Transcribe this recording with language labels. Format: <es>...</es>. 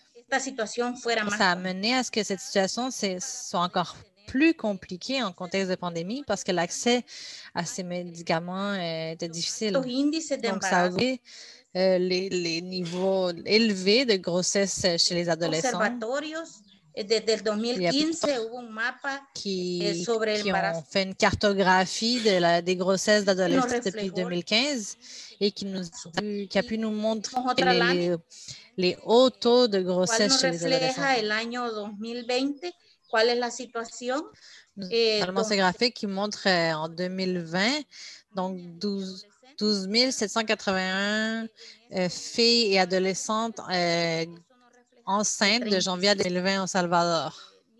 <fr>Ça a mené à ce que cette situation soit encore plus compliquée en contexte de pandémie parce que l'accès à ces médicaments était difficile. Donc, ça a vu les niveaux élevés de grossesse chez les adolescents.</fr> <es>Desde el 2015 hubo un mapa sobre el embarazo.</es> <fr>Qui ont fait une cartographie des grossesses d'adolescents depuis 2015 et qui a pu nous montrer les hauts taux de grossesse chez les adolescents.</fr> <es>¿Cuál refleja el año 2020? ¿Cuál es la situación?</es> <fr>Normalement, ce graphique qui montre en 2020, donc 12 781 filles et adolescentes enceintes de janvier à 2020 au Salvador.</fr>